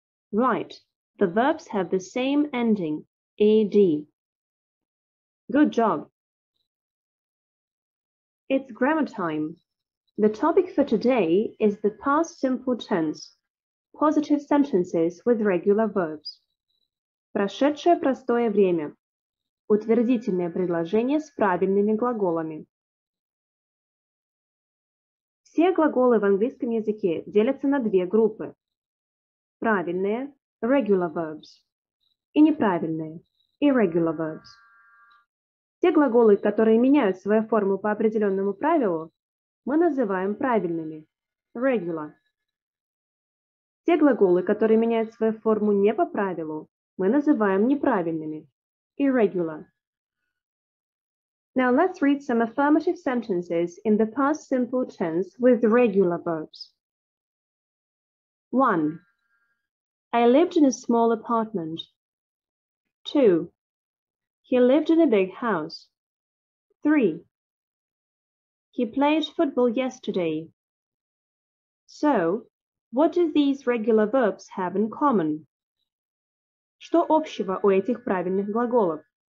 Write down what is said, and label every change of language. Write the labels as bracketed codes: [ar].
[en] Right, the verbs have the same ending, ed. Good job. It's grammar time. The topic for today is the past simple tense, positive sentences with regular verbs. [ru] Прошедшее простое время. Утвердительные предложения с правильными глаголами. Все глаголы в английском языке делятся на две группы. Правильные – regular verbs. И неправильные – irregular verbs. Те глаголы, которые меняют свою форму по определенному правилу, мы называем правильными – regular. Те глаголы, которые меняют свою форму не по правилу, мы называем неправильными – irregular. [en] Now let's read some affirmative sentences in the past simple tense with regular verbs. 1. I lived in a small apartment. 2. He lived in a big house. 3. He played football yesterday. So, what do these regular verbs have in common? [ru] Что общего у этих правильных глаголов?